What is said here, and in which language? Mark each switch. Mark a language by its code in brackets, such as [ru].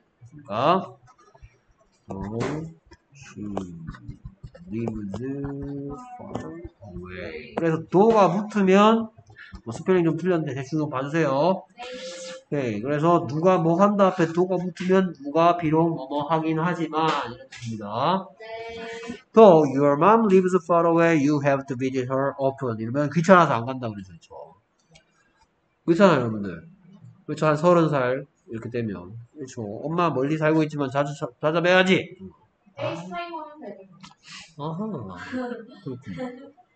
[ko] 그러니까 [en] though she lives far away. [ko] 그래서 though가 붙으면 뭐 스펠링 좀 틀렸는데 대충 좀 봐주세요. 네. 오케이. 그래서 누가 뭐 한다 앞에 though가 붙으면 누가 비록 뭐뭐 하긴 하지만 이렇게 됩니다. 네. [en] though your mom lives far away you have to visit her often. [ko] 이러면 귀찮아서 안 간다고 그랬죠. 그렇잖아요, 여러분들. 그렇죠, 한 서른 살, 이렇게 되면. 그렇죠. 엄마 멀리 살고 있지만 자주 찾아봐야지! 에이스타임 보면 되죠. 아하. 그렇군.